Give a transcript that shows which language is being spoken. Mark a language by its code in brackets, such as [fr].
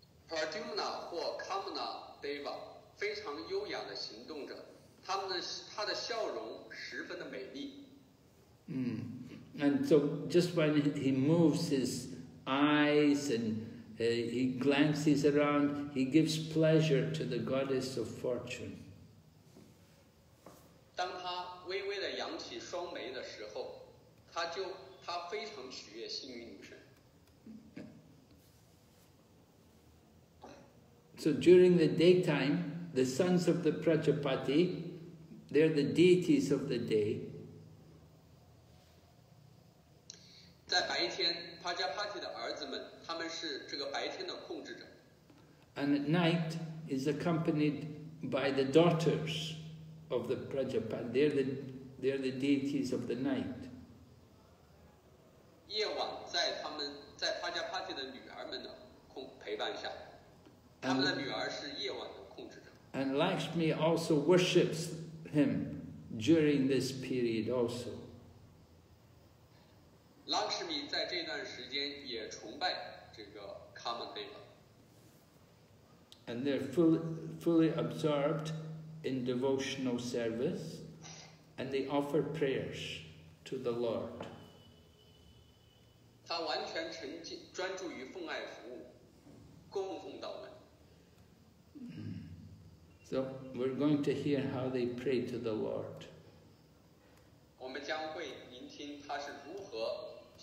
[zh] Prajumna or Kamana Deva, 非常优雅的行动者，他的笑容十分的美丽。 [en] And so just when he moves his eyes and he glances around, he gives pleasure to the goddess of fortune. [zh] 当他微微地扬起双眉的时候，他非常取悦幸运女神。 [en] So during the daytime, the sons of the Prajapati, they're the deities of the day. [zh] 在白天 ，Prajapati 的儿子们，他们是这个白天的控制者。 [en] And at night is accompanied by the daughters of the Prajapati. They're the deities of the night. [zh] 夜晚在 Prajapati 的女儿们的陪伴下，他们的女儿是夜晚的控制者。 [en] And Lakshmi also worships him during this period also. [zh] Lakshmi 在这段时间也崇拜这个 Kamadeva. [en] And they're fully absorbed in devotional service, and they offer prayers to the Lord. [zh] 他完全沉浸专注于奉爱服务，供奉道门。 [en] So we're going to hear how they pray to the Lord. [zh] 我们将会聆听他是如何。